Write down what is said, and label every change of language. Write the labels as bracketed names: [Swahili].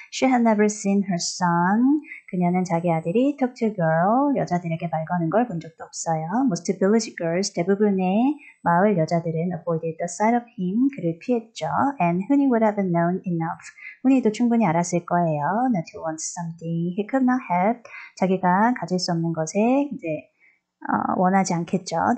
[English] She had never seen her son. [Korean] 그녀는 자기 아들이 [English] talk to girl, [Korean] 여자들에게 말 거는 걸본 적도 없어요. [English] Most village girls, [Korean] 대부분의 마을 여자들은 [English] avoided the sight of him, [Korean] 그를 피했죠. [English] And Huni would have known enough. [Korean] 훈이도 충분히 알았을 거예요. [English] Not to want something he could not have. [Korean] 자기가 가질 수 없는 것에 이제 원하지 않겠죠.